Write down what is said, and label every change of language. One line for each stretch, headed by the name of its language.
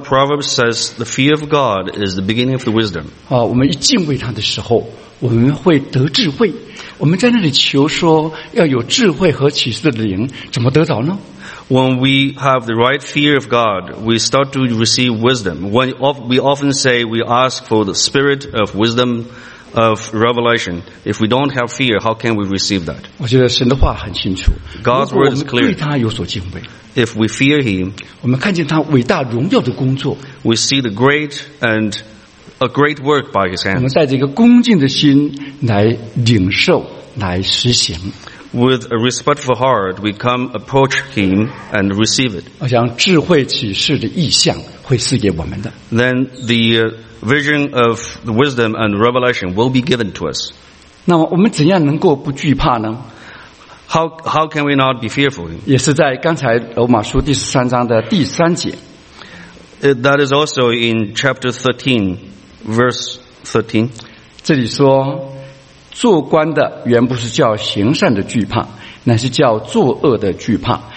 English: Proverbs says the fear of God is the beginning of the wisdom.
Chinese: 我们一敬畏他的时候，我们会得智慧。我们在那里求说要有智慧和启示的灵，怎么得着呢？
English: When we have the right fear of God, we start to receive wisdom. When we often say we ask for the spirit of wisdom, of revelation. If we don't have fear, how can we receive that?
Chinese: 我觉得神的话很清楚。
English: God's word is clear.
Chinese: 如果我们对他有所敬畏，
English: if we fear Him,
Chinese: 我们看见他伟大荣耀的工作，
English: we see the great and a great work by His hand.
Chinese: 我们带着一个恭敬的心来领受，来实行。
English: With a respectful heart, we come approach Him and receive it.
Chinese: 我想智慧启示的意象会赐给我们的。
English: Then the vision of the wisdom and revelation will be given to us.
Chinese: 那么我们怎样能够不惧怕呢？
English: How can we not be fearful?
Chinese: 也是在刚才罗马书第十三章的第三节。
English: That is also in chapter 13, verse 13.
Chinese: 这里说，做官的原不是叫行善的惧怕，乃是叫作恶的惧怕。